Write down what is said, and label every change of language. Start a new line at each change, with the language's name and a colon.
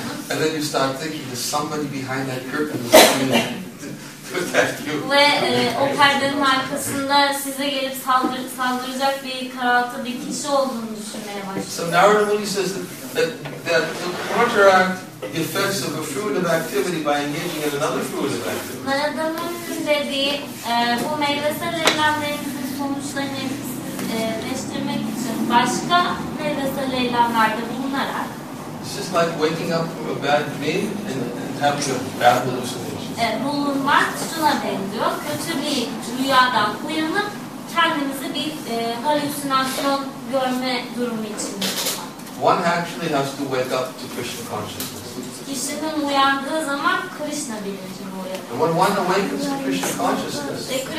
English: And then you start thinking there's somebody behind that curtain to protect you.
Turkish: Ve o perdenin arkasında size gelip saldıracak bir karaltı bir kişi olduğunu düşünmeye başlıyor.
English: So Narada Muni says that to counteract the effects of a fruit of activity by engaging in another fruit of activity.
Turkish: Narada Muni dedi bu meyvesel eylemlerin sonuçlarını değiştirmek için başka meyvesel eylemlerde bulunarak.
English: It's just like waking up from a bad dream and having a bad hallucination.
Turkish: Bulunmak şuna benziyor. Kötü bir rüyadan uyanıp kendimizi bir halüsinasyon görme durumu içinde.
English: One actually has to wake up to Krishna consciousness.
Turkish: Kişinin uyandığı zaman Krishna bilinci oluyor.
English: When one awakens to Krishna consciousness.